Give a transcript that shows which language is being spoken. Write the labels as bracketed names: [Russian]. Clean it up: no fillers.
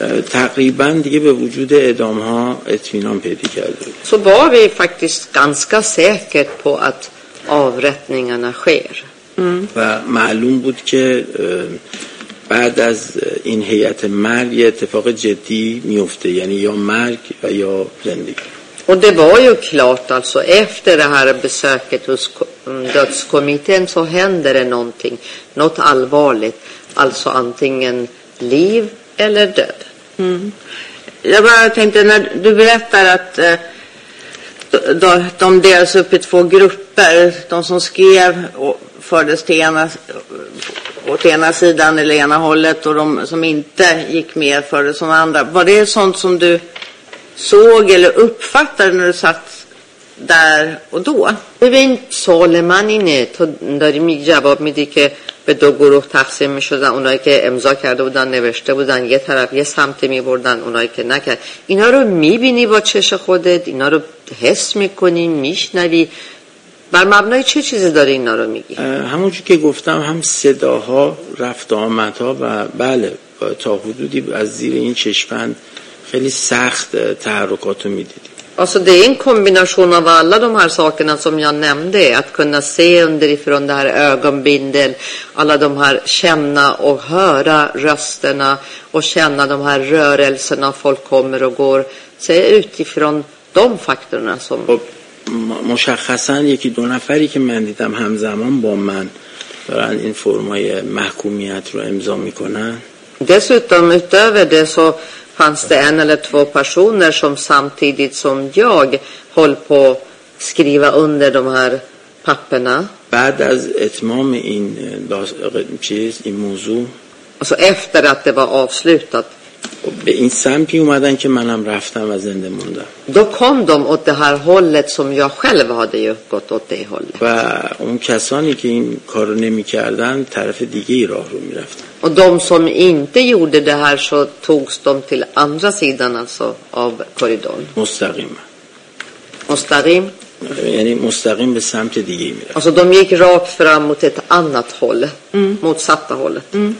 [Persian] تقریبا دیگه به وجود ادامه ها اطمینان پیدا کرده بود. [Swedish] Så var vi faktiskt ganska säkert på att avrättningarna sker. [Persian] و معلوم بود که بعد از این هیئت مرگ اتفاق جدی میفته یعنی یا مرگ و یا زندگی. [Swedish] Och det var ju klart alltså efter det här besöket hos dödskommittén så händer det någonting, något allvarligt, alltså antingen liv eller död. Jag bara tänkte när du berättar att de delas upp i 2 grupper, de som skrev och fördes till ena åt ena sidan eller ena hållet och de som inte gick med fördes som andra. Var det sånt som du såg eller uppfattade när du satt där och då? Det var inte så lämmande att där mig jag var med dig [Persian] به دو گروه تقسیم می‌شدن، اونایی که امضا کرده بودن، نوشته بودن، یه طرف یه سمت می‌بردن، اونایی که نکرد. اینا رو می‌بینی با چش خودت، اینا رو حس می‌کنی، می‌شنوی، بر مبنای چه چیزی داری اینا رو میگی؟ همونجوری که گفتم، هم صداها، رفت و آمدها، و بله تا حدودی از زیر این چشمند خیلی سخت تحرکات رو میدیدیم. [Swedish] Alltså det är en kombination av alla de här sakerna som jag nämnde, att kunna se underifrån, det här ögonbindel, alla de här känna och höra rösterna och känna de här rörelserna, folk kommer och går, se utifrån de faktorerna som... Och [Persian] مشخصاً یکی دو نفری که من دیدم همزمان با من دارن این فرمای محکومیت رو امضا میکنن. [Swedish] Dessutom utöver det så fanns det en eller två personer som samtidigt som jag höll på att skriva under de här papperna. [Persian] بعد از اتمام این چیز این موضوع، [Swedish] alltså efter att det var avslutat. [Persian] به این سمتی اومدن که منم رفتم و زنده موندم. [Swedish] Då kom de åt det här hållet som jag själv hade ju gått åt det hållet. [Persian] و اون کسانی که این کارو نمی‌کردن طرف دیگه ای راه رو می‌رفتن. [Swedish] Och de som inte gjorde det här så togs de till andra sidan alltså av korridoren. [Persian] Mustaqim. Mustaqim. Yani mustaqim به سمت دیگه ای می‌رفت. [Swedish] Alltså de gick rakt fram mot ett annat håll, motsatta hållet.